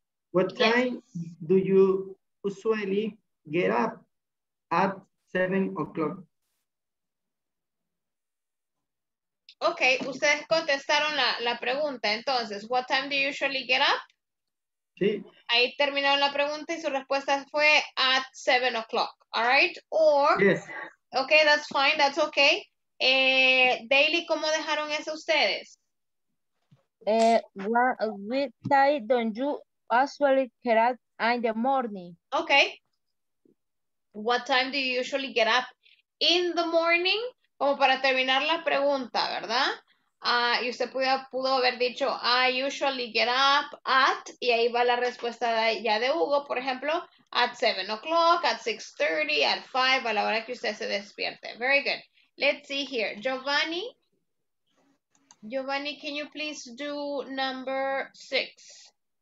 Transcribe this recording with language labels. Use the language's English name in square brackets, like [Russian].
[English] What time do you usually get up at 7 o'clock? [Spanish] Okay, ustedes contestaron la pregunta. Entonces, [English] what time do you usually get up? [Spanish] Sí. Ahí terminaron la pregunta y su respuesta fue [English] at 7 o'clock. All right? Or, yes. Okay, that's fine. That's okay. Daily, [Spanish] ¿cómo dejaron eso ustedes? [English] What time do you usually get up in the morning? Okay. What time do you usually get up in the morning? [Spanish] Como para terminar la pregunta, ¿verdad? Y usted pudo haber dicho, [English] I usually get up at, [Spanish] y ahí va la respuesta ya de Hugo, por ejemplo, [English] at 7 o'clock, at 6:30, at 5, [Spanish] a la hora que usted se despierte. [English] Very good. Let's see here. Giovanni. Giovanni, can you please do number 6?